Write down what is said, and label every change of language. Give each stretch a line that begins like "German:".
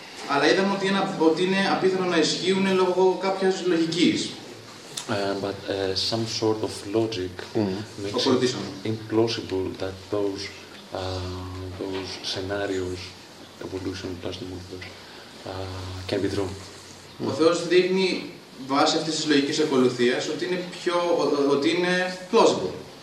Greek: Αλλά είδαμε ότι είναι απίθανο να ισχύουν λόγω κάποιας λογικής.
English: But some sort of logic makes it implausible that those those scenarios, evolution plus the multiverse, can be drawn.
Greek: Ο Θεός δείχνει βάσει αυτής της λογικής ακολουθίας ότι είναι πιο ότι είναι plausible.